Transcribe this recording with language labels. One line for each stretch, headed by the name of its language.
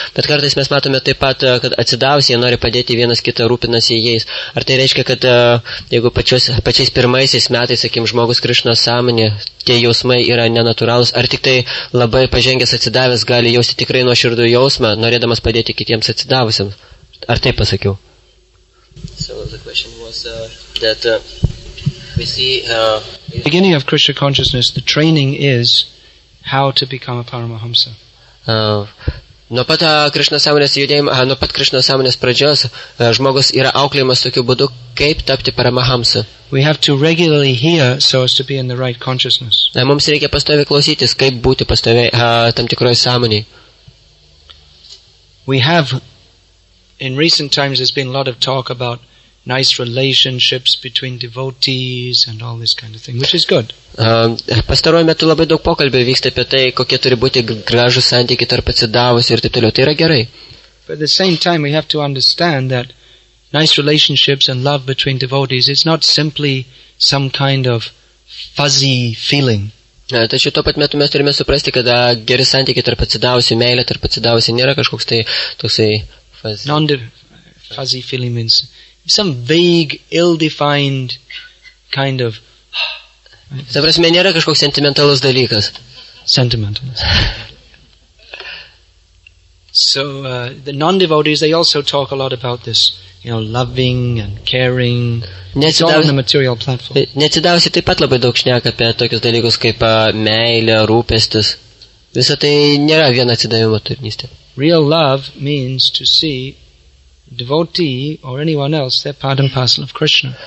Lithuanian: Bet kartais mes matome taip pat, kad atsidavusiai nori padėti vienas kitą, rūpinasi jais. Ar tai reiškia, kad jeigu pačiais pirmaisiais metais, sakym, žmogus Krishna sąmonė, tie jausmai yra nenatūralūs, ar tik tai labai pažengęs atsidavęs gali jausti tikrai nuo širdų jausmą, norėdamas padėti kitiems atsidavusiams? Ar taip pasakiau?
English: So the question was that we see the beginning of Krishna consciousness, the training is how to become a Paramahamsa.
Lithuanian: Nuo pat Krishna sąmonės pradžios žmogus yra auklėjimas tokiu būdu, kaip tapti Paramahamsa.
English: We have to regularly hear so as to be in the right consciousness.
Lithuanian: Mums reikia pastoviai klausytis, kaip būti pastoviai tam tikroje sąmonėje.
English: We have in recent times there's been a lot of talk about nice relationships between devotees and all this kind of thing, which is good.
Lithuanian: Pastaruoju metu labai daug pokalbių vyksta apie tai, kokie turi būti gražus santykiai tarp atsidavusių ir taip toliau. Tai yra gerai.
English: But at the same time we have to understand that nice relationships and love between devotees is not simply some kind of fuzzy feeling.
Lithuanian: Tačiau tuo pat metu mes turime suprasti, kad geri santykiai tarp atsidavusių, meilė tarp atsidavusių nėra kažkoks tai toksai
English: fuzzy feeling means some vague, ill-defined kind of...
Lithuanian: Ta prasme, nėra kažkoks sentimentalus dalykas. Sentimentalus.
English: So, the non-devotees, they also talk a lot about this, you know, loving and caring. It's all on the material platform.
Lithuanian: Neatsidavusi taip pat labai daug šneka apie tokius dalykus kaip meilė, rūpestis. Visa tai nėra viena atsidavimo turinystė.
English: Real love means to see devotee or anyone else, they're part and parcel of Krishna.